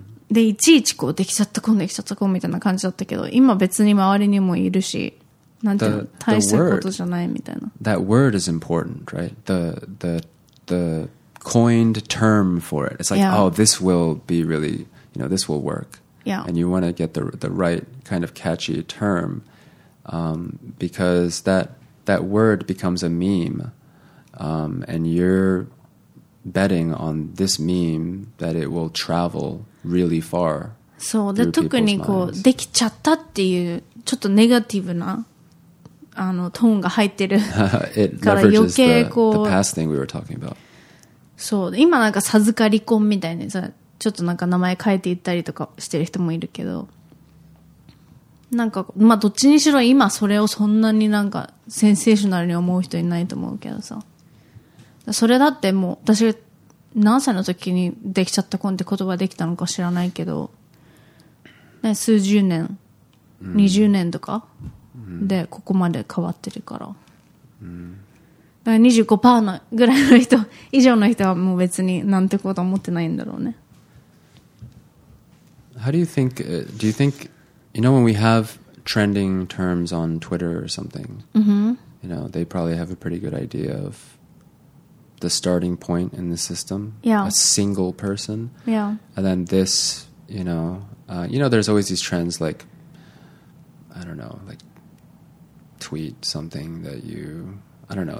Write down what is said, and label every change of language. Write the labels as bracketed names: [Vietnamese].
[Japanese] で、いちいちこう、できちゃった子、できちゃった子みたいな感じだったけど、今別に周りにもいるし、なんていうの、大したことじゃないみたいな。 [English] That word is important, right? The coined term for it. It's like, oh, this will be really, you know, this will work. Yeah. And you want to get the right kind of catchy term, because that word becomes a meme, and you're betting on this meme that it will travel really far. [Japanese] そうで、特にこうできちゃったっていうちょっとネガティブなトーンが入ってるから余計こう [English] the past thing we were talking about. [Japanese] そう、今なんか授かり婚みたいなさ。ちょっとなんか名前変えていったりとかしてる人もいるけど、なんかまあどっちにしろ今それをそんなになんかセンセーショナルに思う人いないと思うけどさ、それだってもう私何歳の時にできちゃった子って言葉できたのか知らないけど、ね、数十年、20年とかでここまで変わってるから、だから 25% のぐらいの人以上の人はもう別になんてこと思ってないんだろうね。 [English] How do you think, do you think, you know, when we have trending terms on Twitter or something, you know, they probably have a pretty good idea of the starting point in the system. Yeah. A single person. Yeah. And then this, you know, there's always these trends like, I don't know, like tweet something that you, I don't know.